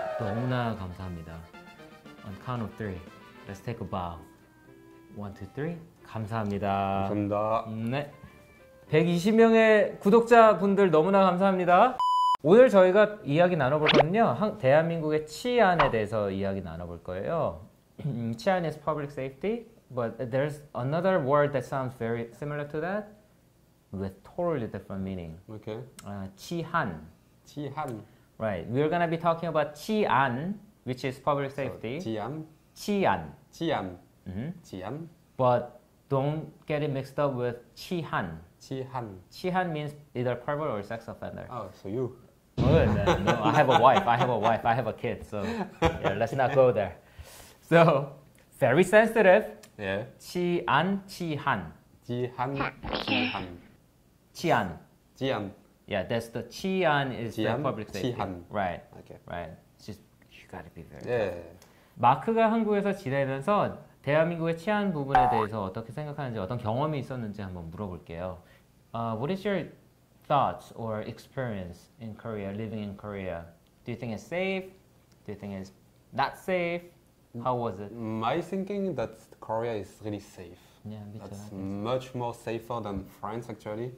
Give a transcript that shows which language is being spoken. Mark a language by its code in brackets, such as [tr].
[ko] 너무나 감사합니다. [en] On count of three. Let's take a bow. One, two, three. [ko] 감사합니다. 감사합니다. 네. 120명의 구독자분들 너무나 감사합니다. 오늘 저희가 이야기 나눠볼 거는요, 대한민국의 치안에 대해서 이야기 나눠볼 거예요. [en] 치안 is public safety, but there's another word that sounds very similar to that with totally different meaning. Okay. [ko] 치안. 치안. [en] Right. We're going to be talking about 치안, which is public safety. [ko] 치안. 치안. 치안. 치안. [en] But don't get it mixed up with 치안. [ko] 치안. [en] 치안 means either pervert or sex offender. Oh, so you. Well, no, I have a wife. I have a wife. I have a kid. So, yeah, let's not go there. So, very sensitive. Yeah. [ko] 치안, 치안. 치안, 치안. 치안. 치안. [en] Yeah, that's the 치안 is [ko] 치안? [en] the public safety. [ko] 치안. [en] Right. Okay. Right. It's just you got to be very. Yeah. [ko] 마크가 한국에서 지내면서 대한민국의 치안 부분에 대해서 어떻게 생각하는지 어떤 경험이 있었는지 한번 물어볼게요. [en] What is your thoughts or experience in Korea, living in Korea? Do you think it's safe? Do you think it's not safe? How was it? My thinking that Korea is really safe. Yeah, me too. That's much more safer than France, actually.